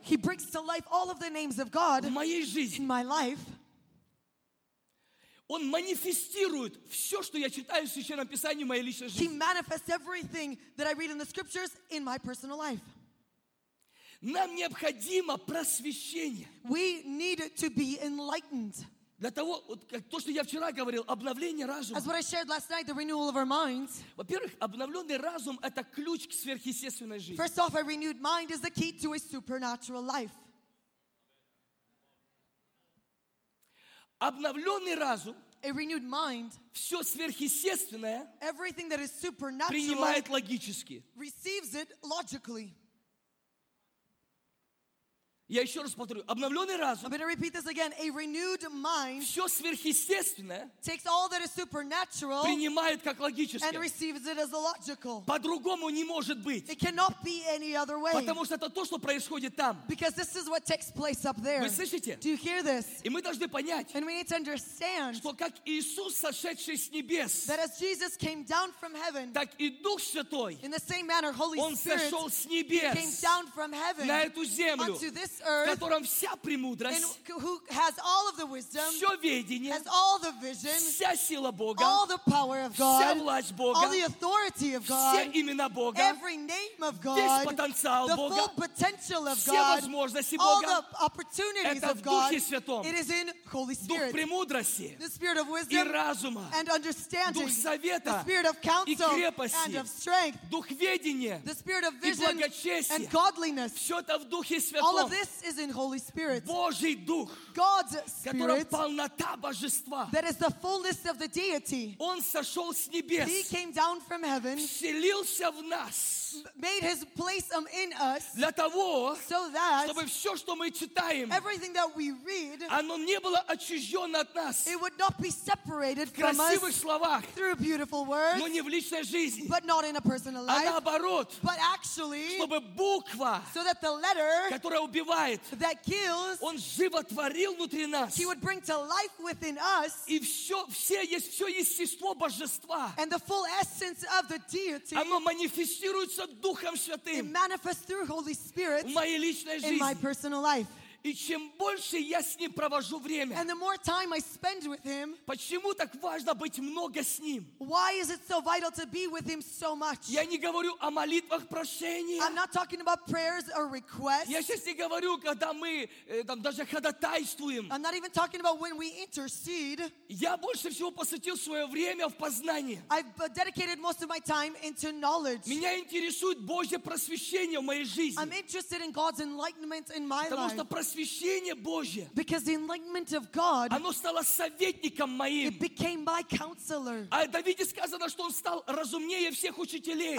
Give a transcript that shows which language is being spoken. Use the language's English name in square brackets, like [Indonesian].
[English] He brings to life all of the names of God. [Russian] В моей жизни. [English] In my life. [Russian] Он манифестирует все, что я читаю в Священном Писании в моей личной жизни. [English] He manifests everything that I read in the scriptures in my personal life. [Russian] Нам необходимо просвещение. [English] We need to be enlightened. [Russian] Для того, вот, как то, что я вчера говорил, обновление разума. [English] As what I shared last night, the renewal of our minds. [Russian] Во-первых, обновленный разум – это ключ к сверхъестественной жизни. [English] First off, a renewed mind is the key to a supernatural life. [Russian] Обновленный разум, [English] a renewed mind, [Russian] все сверхъестественное, [English] everything that is supernatural, [Russian] принимает логически. [English] Receives it logically. [Russian] Я еще раз повторю, обновленный разум, [English] I'm going to repeat this again, a renewed mind, [Russian] все сверхъестественное, [English] takes all that is supernatural, [Russian] принимает как логическое, [English] and receives it as a logical. [Russian] По-другому не может быть. [English] It cannot be any other way. [Russian] Потому что это то, что происходит там. [English] Because this is what takes place up there. [Russian] Вы слышите? [English] Do you hear this? [Russian] И мы должны понять, [English] and we need to understand, [Russian] что как Иисус, сошедший с небес, [English] that as Jesus came down from heaven, [Russian] так и Дух Святой, [English] in the same manner, Holy [Russian] Он сошел [English] Spirit, [Russian] с небес, [English] came down from heaven, [Russian] на эту землю, [English] onto this this earth, [Russian] в котором вся премудрость, [English] and who has all of the wisdom, [Russian] все ведение, [English] has all the vision, [Russian] вся сила Бога, [English] all the power of God, [Russian] вся власть Бога, [English] all the authority of God, [Russian] все имена Бога, [English] every name of God, [Russian] весь потенциал [English] the [Russian] Бога, [English] full potential of [Russian] все [English] God, [Russian] возможности Бога, [English] all the opportunities [Russian] это [English] of God, [Russian] в Духе Святом, [English] it is in Holy Spirit, [Russian] Дух премудрости, [English] the Spirit of wisdom, [Russian] и разума, [English] and understanding, [Russian] Дух Совета, [English] the Spirit of counsel, [Russian] и крепости, [English] and of strength, [Russian] Дух ведения, [English] the Spirit of vision, [Russian] и благочестия, [English] and godliness. [Russian] Все это в Духе Святом. [English] All of this is in Holy Spirit. [Russian] Божий Дух. [English] God's Spirit. [Russian] Которым полнота Божества. [English] That is the fullness of the deity. [Russian] Он сошел с небес. [English] He came down from heaven. [Russian] Вселился в нас. [English] Made his place in us. [Russian] Для того, [English] so that [Russian] чтобы все, что мы читаем, [English] everything that we read, [Russian] оно не было отчуждено от нас. [English] It would not be separated from us. [Russian] В красивых словах. [English] Through beautiful words. [Russian] Но не в личной жизни. [English] But not in a personal life. [Russian] А наоборот. [English] But actually, [Russian] чтобы буква, [English] so that the letter, [Russian] которая убивает, [English] that kills, [Russian] он животворил внутри нас. [English] He would bring to life within us. [Russian] И все, все есть, все естество Божества. [English] And the full essence of the deity. [Russian] Оно манифестируется Духом Святым. [English] It manifests through Holy Spirit. [Russian] В моей личной жизни. [English] In my personal life. [Russian] И чем больше я с ним провожу время, [English] and the more time I spend with him, [Russian] почему так важно быть много с ним? [English] Why is it so vital to be with him so much? [Russian] Я не говорю о молитвах прошения. [English] I'm not talking about prayers or requests. [Russian] Я сейчас не говорю, когда мы там даже ходатайствуем. [English] I'm not even talking about when we intercede. [Russian] Я больше всего посвятил свое время в познании. [English] I've dedicated most of my time into knowledge. [Russian] Меня интересует Божье просвещение в моей жизни. [English] I'm interested in God's enlightenment in my [Russian] потому [English] life. [Russian] Просвещение Божье. [English] Because the enlightenment of God, [Russian] оно стало советником моим. [English] It became my counselor. [Russian] А о Давиде сказано, что он стал разумнее всех учителей.